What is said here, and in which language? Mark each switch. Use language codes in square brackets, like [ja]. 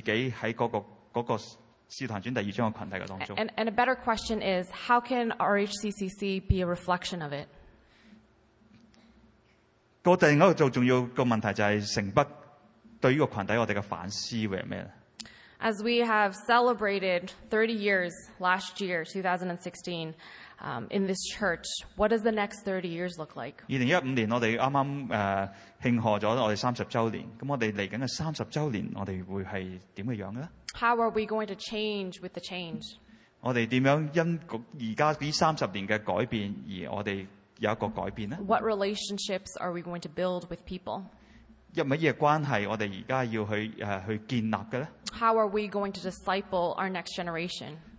[zh] 当我们看《使徒行传》第二章,神改变的群体,你怎么看你自己在那个 [en] And a better question is, how can RHCCC be a reflection of it? [zh] 第二个重要的问题就是,城北对这个群体我们的反思会是什么? [en] As we have celebrated 30 years last year, 2016, in this church, what does the next 30 years look like? [zh] 2015年我们刚刚庆贺了我们30周年,那我们接下来的30周年我们会是怎么样的? [en] How are we going to change with the change? [zh] 我们怎么样因现在这30年的改变而我们有一个改变呢? [en] What relationships are we going to build with people? [zh] 有什么关系我们现在要去建立的呢? [en] How are we going to disciple our next generation?